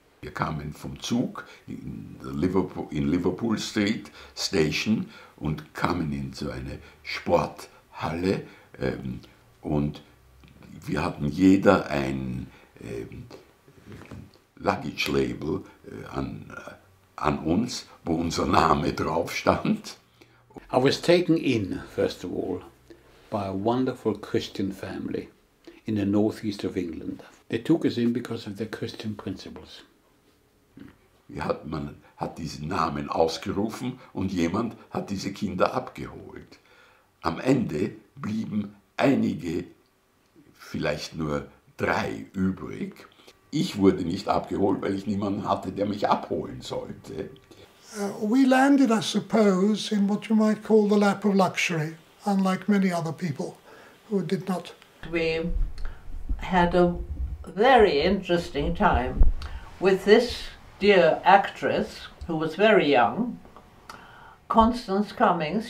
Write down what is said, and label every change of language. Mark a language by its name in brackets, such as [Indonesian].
[English] You come in from Zug in the Liverpool Street station and come in [German] so eine Sporthalle und wir hatten jeder ein [English] Luggage Label [German] an uns, wo unser Name drauf stand. [English] I was taken in, first of all, by a wonderful Christian family in the northeast of England. They took us in because of their Christian principles. [German] Man hat diesen Namen ausgerufen und jemand hat diese Kinder abgeholt. Am Ende blieben einige, vielleicht nur 3 übrig. Ich wurde nicht abgeholt, weil ich niemanden hatte, der mich abholen sollte. [English] We landed, I suppose, in what you might call the lap of luxury, unlike many other people who did not. We had a very interesting time with this dear actress, who was very young, Constance Cummings.